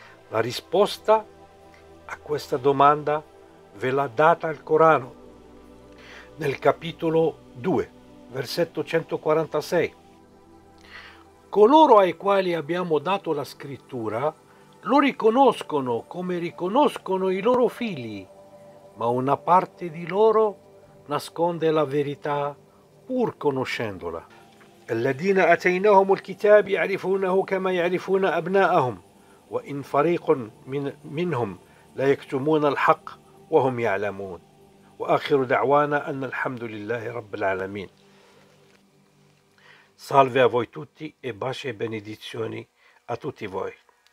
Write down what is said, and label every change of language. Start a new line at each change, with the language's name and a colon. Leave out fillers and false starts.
Italian: La risposta a questa domanda ve l'ha data il Corano nel capitolo 2, versetto 146. Coloro ai quali abbiamo dato la scrittura lo riconoscono come riconoscono i loro figli, ma una parte di loro nasconde la verità pur conoscendola.
Arabic: الذين أتيناهم الكتاب يعرفونه كما يعرفون أبناءهم وإن فريق منهم لا يكتمون الحق وهم يعلمون وآخر دعوانا أن الحمد لله رب العالمين.
Italian: Salve a voi tutti e baci e benedizioni a tutti voi.